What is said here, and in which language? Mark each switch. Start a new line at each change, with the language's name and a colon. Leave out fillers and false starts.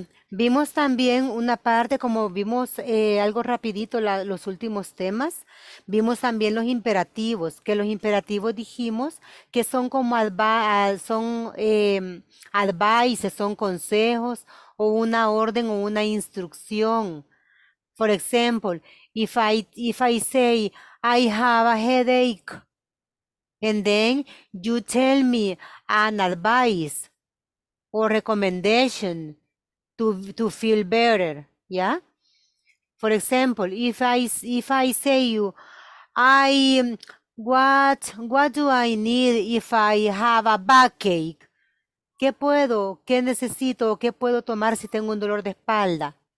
Spanish: Vimos también una parte, como vimos algo rapidito los últimos temas, vimos también los imperativos, que los imperativos dijimos que son como advice, son consejos o una orden o una instrucción.
English: For example, if I say I have a headache, and then you tell me an advice or recommendation to feel better, yeah? For example, if I say you, I what do I need if I have a backache?
Spanish: ¿Qué puedo? ¿Qué necesito? ¿Qué puedo tomar si tengo un dolor de espalda?